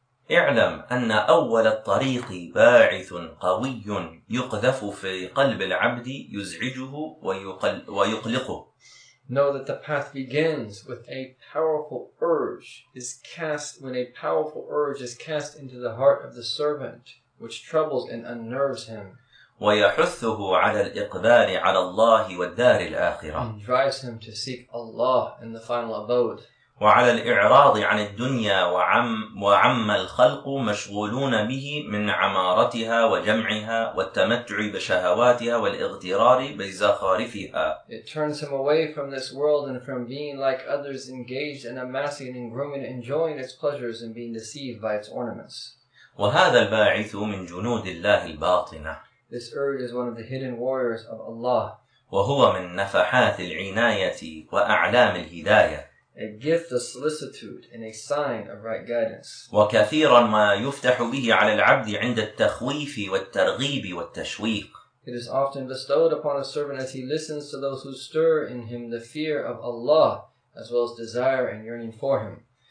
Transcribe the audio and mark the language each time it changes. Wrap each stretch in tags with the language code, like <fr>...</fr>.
<ar>اعلم أن أول الطريق باعث قوي يقذف في قلب العبد يزعجه ويقلقه.</ar> <en>Know that the path begins with a powerful urge is cast when a powerful urge is cast into the heart of the servant, which troubles and unnerves him.</en> <ar>ويحثه على الإقبال على الله والدار الآخرة.</ar> <en>And drives him to seek Allah in the final abode.</en> <ar>وعلى الإعراض عن الدنيا وعما الخلق مشغولون به من عمارتها وجمعها والتمتع بشهواتها والاغترار بزخارفها.</ar> <en>It turns him away from this world and from being like others engaged in amassing and grooming and enjoying its pleasures and being deceived by its ornaments.</en> <ar>وهذا الباعث من جنود الله الباطنة.</ar> <en>This urge is one of the hidden warriors of Allah.</en> <ar>وهو من نفحات العناية وأعلام الهداية.</ar> <en>A gift of solicitude and a sign of right guidance.</en> <ar>وَكَثِيرًا مَا يُفْتَحُ بِهِ عَلَى الْعَبْدِ عِنْدَ التَّخْوِيفِ وَالتَّرْغِيبِ وَالتَّشْوِيقِ.</ar> <en>It is often bestowed upon a servant as he listens to those who stir in him the fear of Allah, as well as desire and yearning for him.</en>